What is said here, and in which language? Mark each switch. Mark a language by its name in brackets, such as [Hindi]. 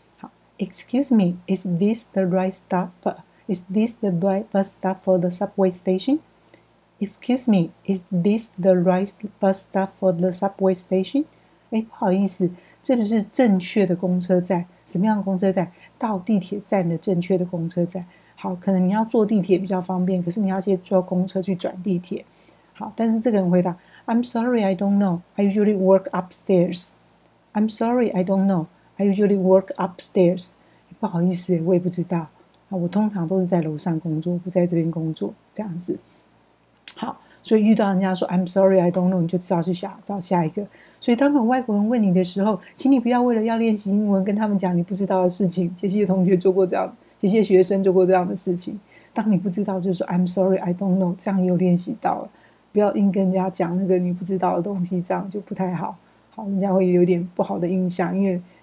[English] 好， Excuse me, is this the right stop? Is this the right bus stop for the subway station? Excuse me, is this the right bus stop for the subway station? [Chinese] 哎，不好意思，这个是正确的公车站，什么样的公车站？到地铁站的正确的公车站。好，可能你要坐地铁比较方便，可是你要先坐公车去转地铁。好，但是这个人回答 [English] I'm sorry, I don't know, I usually work upstairs. I'm sorry, I don't know, I usually work upstairs. [Chinese] 不好意思，我也不知道，我通常都是在楼上工作，不在这边工作这样子。好，所以遇到人家说 [English] I'm sorry, I don't know, [Chinese] 你就知道去找下一个。所以当有外国人问你的时候，请你不要为了要练习英文跟他们讲你不知道的事情。杰西的同学做过这样，杰西的学生做过这样的事情，当你不知道就说 [English] I'm sorry, I don't know, [Chinese] 这样又练习到了，不要硬跟人家讲那个你不知道的东西，这样就不太好，好，人家会有点不好的印象，因为